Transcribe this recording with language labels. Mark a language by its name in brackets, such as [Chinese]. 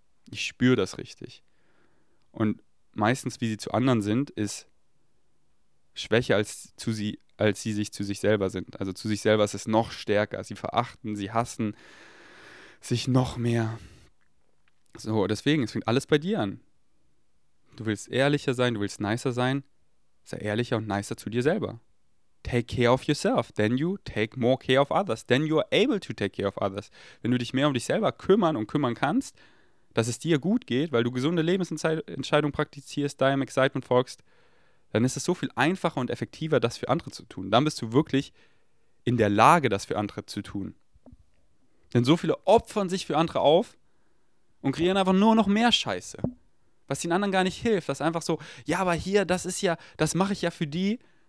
[German] Ich spüre das richtig. Und meistens, wie sie zu anderen sind, ist schwächer als sie sich zu sich selber sind. Also zu sich selber ist es noch stärker. Sie verachten, sie hassen sich noch mehr. So, deswegen, es fängt alles bei dir an. Du willst ehrlicher sein, du willst nicer sein. Sei ehrlicher und nicer zu dir selber. [English] Take care of yourself, then you take more care of others, then you are able to take care of others. [German] Wenn du dich mehr um dich selber kümmern und kümmern kannst, dass es dir gut geht, weil du gesunde Lebensentscheidungen praktizierst, deinem Excitement folgst, dann ist es so viel einfacher und effektiver, das für andere zu tun. Dann bist du wirklich in der Lage, das für andere zu tun. Denn so viele opfern sich für andere auf und kreieren einfach nur noch mehr Scheiße, was den anderen gar nicht hilft. Das ist einfach so, ja, aber hier, das ist ja, das mache ich ja für die.